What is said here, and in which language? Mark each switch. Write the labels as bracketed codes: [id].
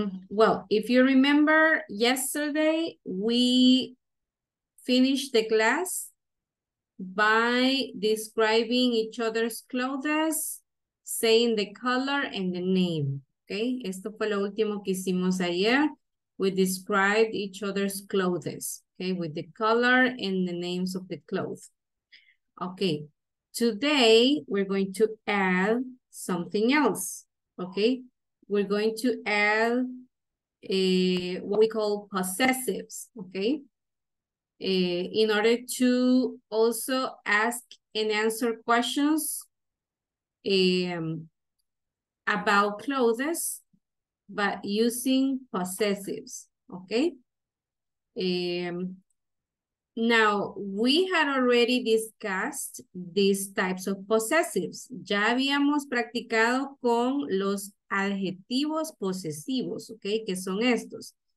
[en] Well, if you remember yesterday, we finished the class by describing each other's clothes, saying the color and the name. [es] Okay, esto fue lo último que hicimos ayer. [en] We described each other's clothes, okay, with the color and the names of the clothes. Okay, today we're going to add something else. Okay. We're going to add what we call possessives, okay? In order to also ask and answer questions about clothes, but using possessives, okay? Now, we had already discussed these types of possessives. [es] Ya habíamos practicado con los adjetivos posesivos, okay, que son estos.